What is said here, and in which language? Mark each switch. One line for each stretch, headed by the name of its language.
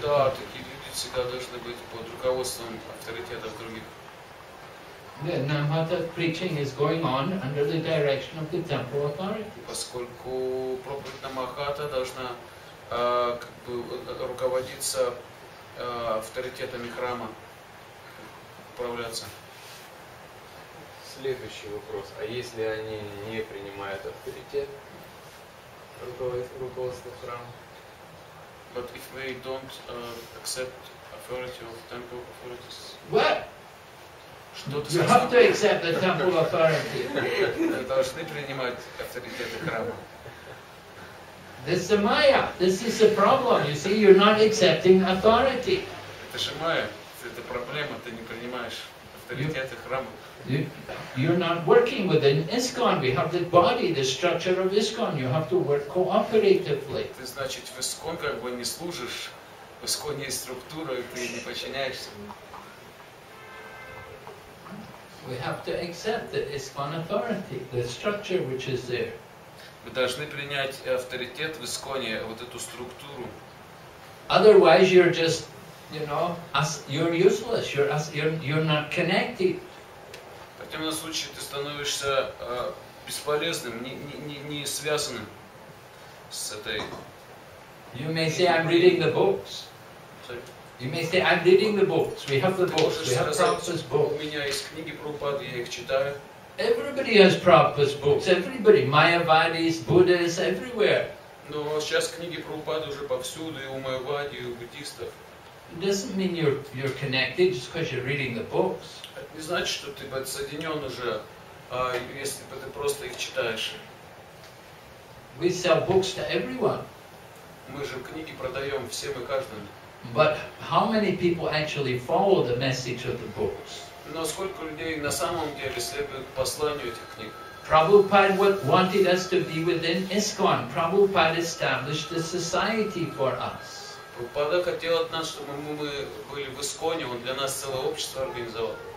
English: the temples.
Russian: Да, такие люди всегда должны быть под руководством авторитетов других.
English: The Namahata preaching is going on under the direction of the temple authority.
Russian: Поскольку проповедь Намахата должна как бы руководиться авторитетами храма, управляться. Следующий вопрос. А если они не принимают авторитет руководства храма?
English: But if they don't accept authority of temple authorities? What?
Russian: Что-то
English: you have to accept the temple authority.
Russian: Должны принимать авторитеты храма.
English: This is Maya. This is a problem. You see, you're not accepting authority.
Russian: Это же Maya. Это проблема. Ты не принимаешь авторитеты храма.
English: You're not working within ISKCON. We have the body, the structure of ISKCON. You have to work cooperatively.
Russian: Ты значит в ISKCON как бы не служишь. В ISKCON есть структура, и ты не подчиняешься.
English: We have to accept the ISKCON authority, the structure which is there.
Russian: Мы должны принять авторитет в ИСККОНе, вот эту структуру.
English: Otherwise, you're just, you know, you're useless. You're not connected.
Russian: В противном случае ты становишься бесполезным, не связанным с этой.
English: You may say I'm reading the books. You may say, I'm reading the books. We have the books. We have Prabhupada's books.
Russian: У меня есть книги Прабхупады, я их читаю.
English: Everybody has Prabhupada's books. Everybody. Майявадис, Буддис, everywhere.
Russian: Но сейчас книги Прабхупады уже повсюду, и у майявади, и у буддистов.
English: It doesn't mean you're connected just because you're reading the books.
Russian: Это не значит, что ты подсоединен уже, если бы ты просто их читаешь.
English: We sell books to everyone.
Russian: Мы же книги продаем всем и каждому.
English: But how many people actually follow the message of the books?
Russian: Но сколько людей на самом деле следует посланию этих книг?
English: Prabhupada wanted us to be within ISKCON. Prabhupada established the society for us.
Russian: Прабхупада хотел от нас, чтобы мы были в ИСККОНе. Он для нас целое общество организовал.